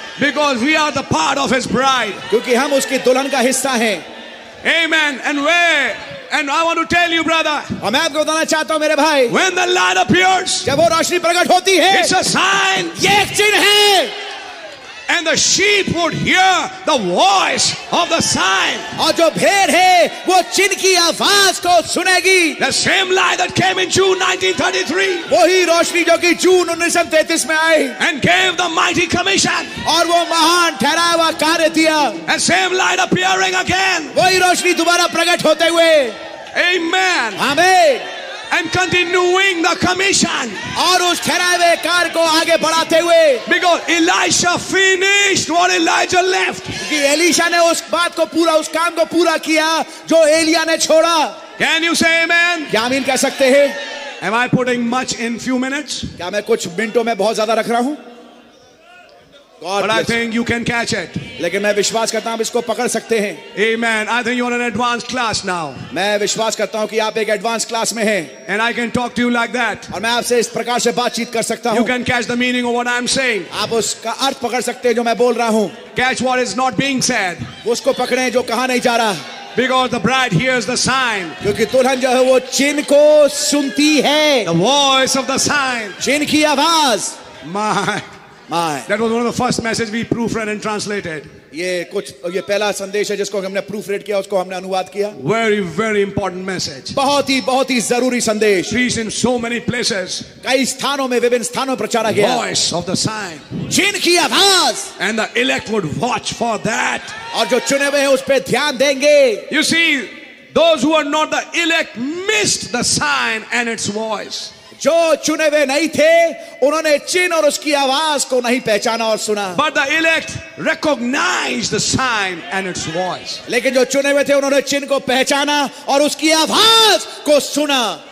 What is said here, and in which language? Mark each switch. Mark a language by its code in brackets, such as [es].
[en] Because we are the part of his bride. [hi] क्योंकि हम उसकी दुल्हन का हिस्सा हैं. [en] Amen. And where? And I want to tell you, brother. [hi] और मैं आपको बताना चाहता हूँ मेरे भाई. [en] When the light appears. [hi] जब वो रोशनी प्रकट होती है. [en] It's a sign. [hi] ये एक चिन्ह है. [en] And the sheep would hear the voice of the sign. [hi] और जो भेड़ है, वो चिन्ह की आवाज को सुनेगी. [en] The same light that came in June 1933. [hi] वही रोशनी जो कि जून 1933 में आई. [en] And gave the mighty commission. [hi] और वो महान ठहराया हुआ कार्य दिया. [en] The same light appearing again. [hi] वही रोशनी दोबारा प्रकट होते हुए. [en] Amen. [hi] आमीन. [en] And continuing the commission. [hi] और उस ठहराए हुए कार्य को आगे बढ़ाते हुए. [en] Because Elisha finished what Elijah left. [hi] कि एलिशा ने उस बात को पूरा, उस काम को पूरा किया जो एलिया ने छोड़ा. [en] Can you say amen? [hi] क्या आमीन कह सकते हैं? [en] Am I putting much in few minutes? [hi] क्या मैं कुछ मिनटों में बहुत ज्यादा रख रहा हूँ? [en] God but bless. I think you can catch it. [hi] लेकिन मैं विश्वास करता हूँ इसको पकड़ सकते हैं. [en] Amen. I think you're in an advanced class now. [hi] मैं विश्वास करता हूँ कि आप एक [en] advanced class [hi] में हैं. [en] And I can talk to you like that. [hi] और मैं आपसे इस प्रकार से बातचीत कर सकता हूँ. [en] You can catch the meaning of what I'm saying. [hi] आप उसका अर्थ पकड़ सकते हैं जो मैं बोल रहा हूँ. [en] Catch what is not being said. [hi] उसको पकड़े जो कहा नहीं जा रहा. [en] Because the bride hears the sign. [hi] क्योंकि दुल्हन जो है वो चिन्ह को सुनती है. [en] The voice of the sign. [hi] चिन्ह की आवाज. [en] My. That was one of the first messages we proofread and translated. [hi] ये कुछ ये पहला संदेश है जिसको हमने proofread किया, उसको हमने अनुवाद किया. [en] Very, very important message. [hi] बहुत ही जरूरी संदेश. [en] Preached in so many places. [hi] कई स्थानों में, विभिन्न स्थानों पर प्रचार किया. [en] Voice of the sign. [hi] चिन्ह की आवाज. [en] And the elect would watch for that. [hi] और जो चुने हुए हैं उस पर ध्यान देंगे. [en] You see, those who are not the elect missed the sign and its voice. [hi] जो चुने हुए नहीं थे उन्होंने चिन्ह और उसकी आवाज को नहीं पहचाना और सुना. [en] But the elect recognized the sign and its voice. [hi] लेकिन जो चुने हुए थे उन्होंने चिन्ह को पहचाना और उसकी आवाज को सुना.